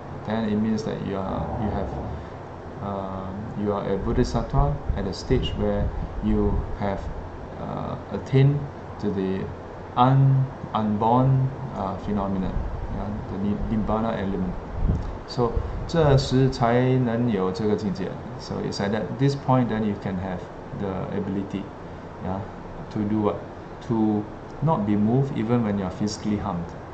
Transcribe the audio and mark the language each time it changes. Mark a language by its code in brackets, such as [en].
[en] Then it means that you are a Bodhisattva at a stage where you have attained to the unborn phenomenon, yeah, the Nibbana element. [zh] So 这时才能有这个境界. [en] So it's at that, this point then you can have the ability, yeah, to do what? To not be moved even when you are physically harmed.